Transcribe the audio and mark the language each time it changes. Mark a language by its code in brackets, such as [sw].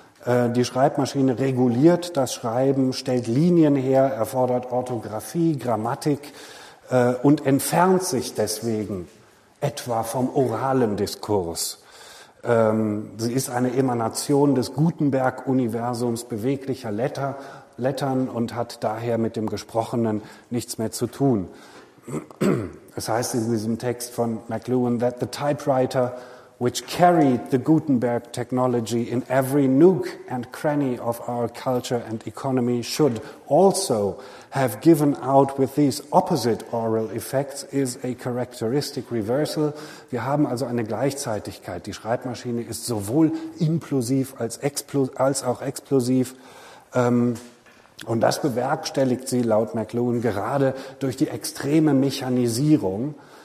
[de] Die Schreibmaschine reguliert das Schreiben, stellt Linien her, erfordert Orthographie, Grammatik und entfernt sich deswegen etwa vom oralen Diskurs. Sie ist eine Emanation des Gutenberg-Universums beweglicher Lettern und hat daher mit dem Gesprochenen nichts mehr zu tun. Es heißt in diesem Text von McLuhan, [en] that the typewriter, which carried the Gutenberg technology in every nook and cranny of our culture and economy, should also have given out with these opposite oral effects, is a characteristic reversal. [de] Wir haben also eine Gleichzeitigkeit. Die Schreibmaschine ist sowohl implosiv als auch explosiv. Und das bewerkstelligt sie laut McLuhan gerade durch die extreme Mechanisierung.